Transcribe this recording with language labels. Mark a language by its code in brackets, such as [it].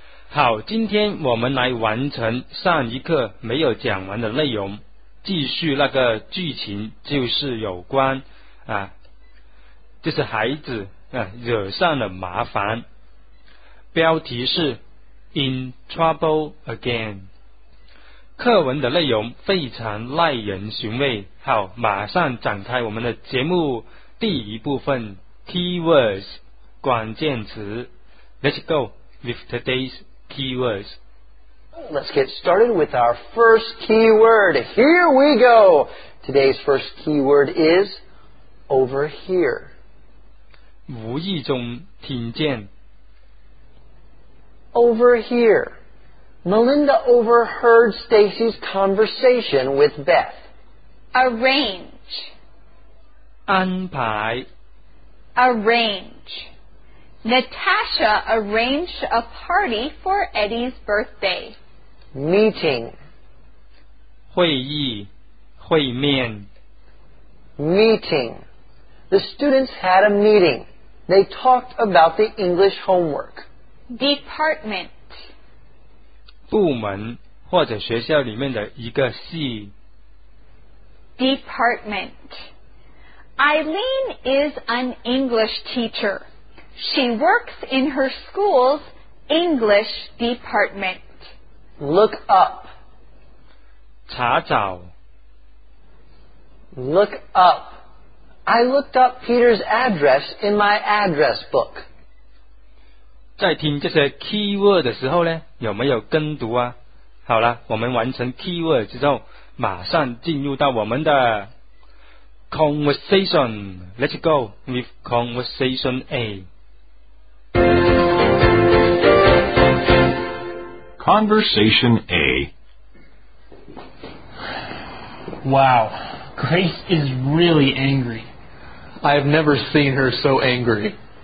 [zh] 好，今天我们来完成上一课没有讲完的内容，继续那个剧情，就是有关啊，就是孩子啊惹上了麻烦，标题是 [en] In Trouble Again。 [zh] 课文的内容非常耐人寻味，好，马上展开我们的节目第一部分 Keywords 关键词。 [en] Let's go with today's keywords. Let's get started with our first keyword. Here we go. Today's first keyword is overhear. [zh] 无意中听见。 [en] Overhear. Melinda overheard Stacy's conversation with Beth. Arrange. [zh] 安排 [en] Arrange. Natasha arranged a party for Eddie's birthday. Meeting. [zh] 会议会面 [en] Meeting. The students had a meeting. They talked about the English homework. Department. [zh] 部门或者学校里面的一个系。 [en] Department. Eileen is an English teacher. She works in her school's English department. Look up. [zh] 查找。 [en] Look up. I looked up Peter's address in my address book. [zh] 在听这些 keyword 的时候呢，有没有跟读啊？好了，我们完成 keyword 之后，马上进入到我们的 conversation. [en] Let's go with conversation A. Conversation A. Wow, Grace is really angry. I have never seen her so angry.